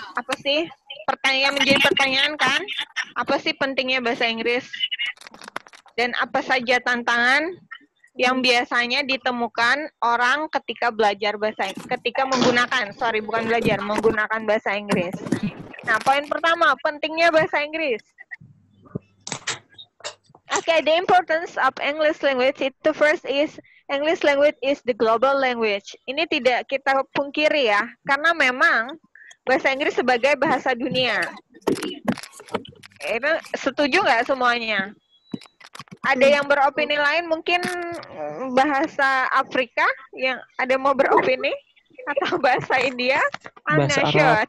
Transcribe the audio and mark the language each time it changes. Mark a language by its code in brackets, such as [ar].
[id] Apa sih pertanyaan menjadi pertanyaan kan? Apa sih pentingnya bahasa Inggris? Dan apa saja tantangan yang biasanya ditemukan orang ketika belajar bahasa, ketika menggunakan, sorry bukan belajar, menggunakan bahasa Inggris. Nah, poin pertama, pentingnya bahasa Inggris. [en] Okay, the importance of English language, the first is, English language is the global language. [id] Ini tidak kita pungkiri ya, karena memang bahasa Inggris sebagai bahasa dunia. Itu setuju nggak semuanya? Ada yang beropini lain, mungkin bahasa Afrika yang ada mau beropini, atau bahasa India, [en] I'm not sure.